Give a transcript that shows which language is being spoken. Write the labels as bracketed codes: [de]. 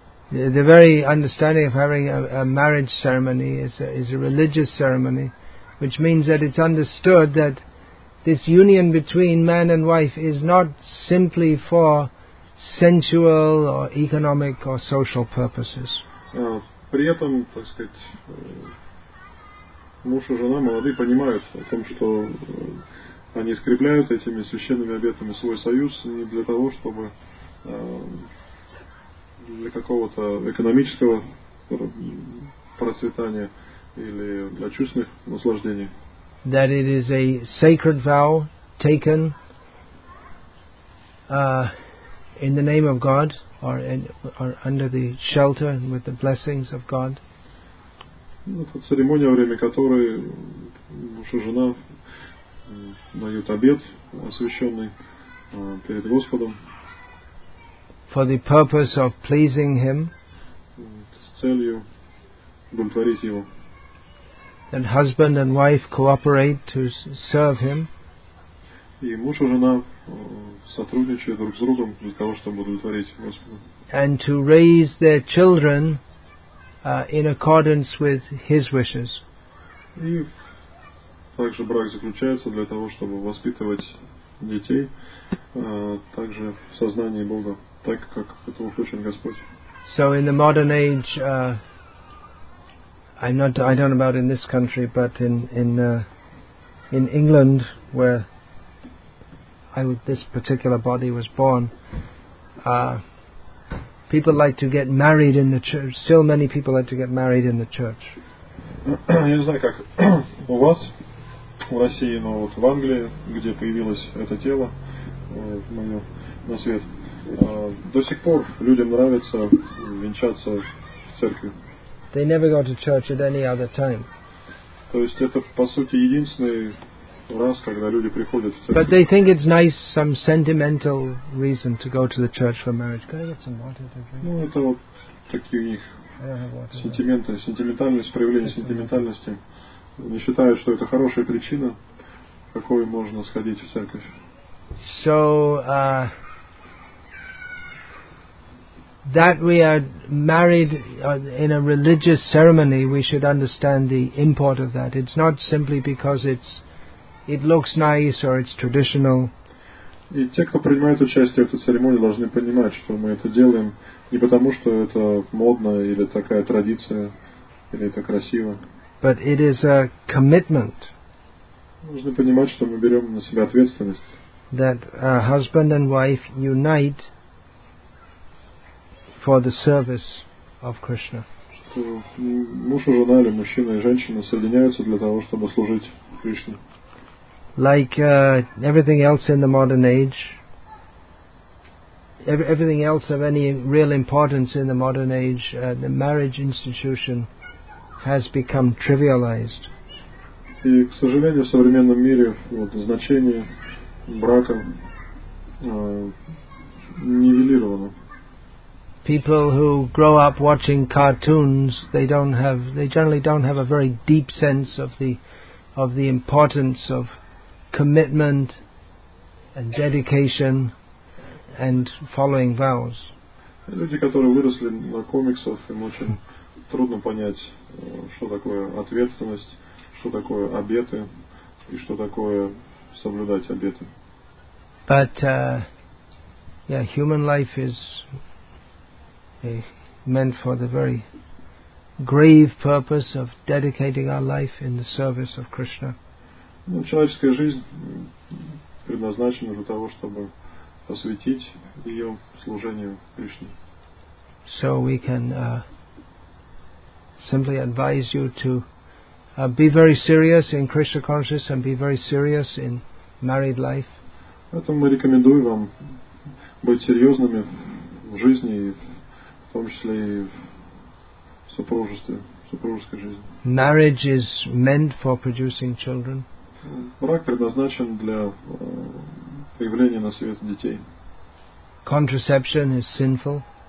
[en] The very understanding of having a marriage ceremony is a religious ceremony, which means that it's understood that this union between man and wife is not simply for sensual or economic or social purposes. [ru] При этом, так сказать, муж и жена молодые понимают о том, что они скрепляют этими священными обетами свой союз не для того, чтобы для какого-то экономического процветания или для чувственных наслаждений. [en] That it is a sacred vow taken in the name of God or under the shelter with the blessings of God. [ru] Это церемония, во время которой муж и жена дают обет освященный перед Господом. [en] For the purpose of pleasing him. [ru] С целью удовлетворить его. [en] And husband and wife cooperate to serve him. [ru] И муж и жена сотрудничают друг с другом для того, чтобы удовлетворить Господа. [en] And to raise their children in accordance with his wishes. [ru] И также брак заключается для того, чтобы воспитывать детей также в сознании Бога, так как этого хочет Господь. [en] So in the modern age, I don't know about in this country, but in England, where this particular body was born, people like to get married in the church. Still, many people like to get married in the church. [ru] Я не знаю, как у вас в России, но вот в Англии, где появилось это тело мое на свет, до сих пор людям нравится венчаться в церкви. [en] They never go to church at any other time. [ru] То есть это по сути единственный раз, когда люди приходят в церковь. [en] But they think it's nice, some sentimental reason to go to the church for marriage. Can I get some water to drink? [ru] Ну это вот такие у них сентименты, сентиментальность, проявление сентиментальности. Они считают, что это хорошая причина, какой можно сходить в церковь. [en] So that we are married in a religious ceremony, we should understand the import of that. It's not simply because it looks nice or it's traditional. [ru] И те, кто принимает участие в этой церемонии, должны понимать, что мы это делаем не потому, что это модно или такая традиция, или это красиво. [en] But it is a commitment. [ru] Нужно понимать, что мы берем на себя ответственность. [en] That a husband and wife unite for the service of Krishna. [ru] Что муж и жена, или мужчина и женщина соединяются для того, чтобы служить Кришне. [en] Like everything else in the modern age, everything else of any real importance in the modern age, the marriage institution has become trivialized. [ru] И, к сожалению, в современном мире вот значение брака нивелировано. [en] People who grow up watching cartoons, they generally don't have a very deep sense of the importance of commitment and dedication and following vows. [ru] Люди, которые выросли на комиксах, им очень трудно понять, что такое ответственность, что такое обеты и что такое соблюдать обеты. [en] But human life is meant for the very grave purpose of dedicating our life in the service of Krishna. [ru] Ну, человеческая жизнь предназначена для того, чтобы посвятить ее служению Кришне. [en] So we can simply advise you to be very serious in Krishna conscious and be very serious in married life. [ru] Поэтому мы рекомендуем вам быть серьезными в жизни, в том числе и в супружестве, в супружеской жизни. [en] Marriage is meant for producing children. [ru] Брак предназначен для появления на свет детей. [en] Contraception is sinful.